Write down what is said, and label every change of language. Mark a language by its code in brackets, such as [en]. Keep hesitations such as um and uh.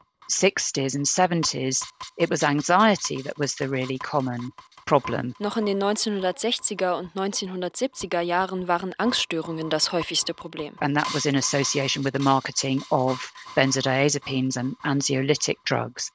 [en] 60s and 70s, it was anxiety that was the really common. Problem. [de] Noch in den 1960er und 1970er Jahren waren Angststörungen das häufigste Problem. [en] And that was in association with the marketing of benzodiazepines and anxiolytic drugs.